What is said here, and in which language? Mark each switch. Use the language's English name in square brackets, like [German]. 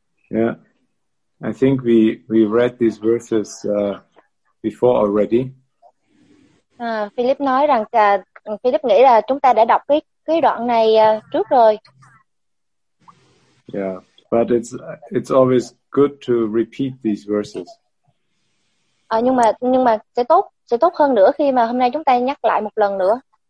[English] Yeah, I think we read these verses before already. [Vietnamese] Philip nói rằng Philip nghĩ là chúng ta đã đọc cái cái đoạn này trước rồi. [English] Yeah, but it's always good to repeat these verses. [Vietnamese] Nhưng mà sẽ tốt hơn nữa khi mà hôm nay chúng ta nhắc lại một lần nữa.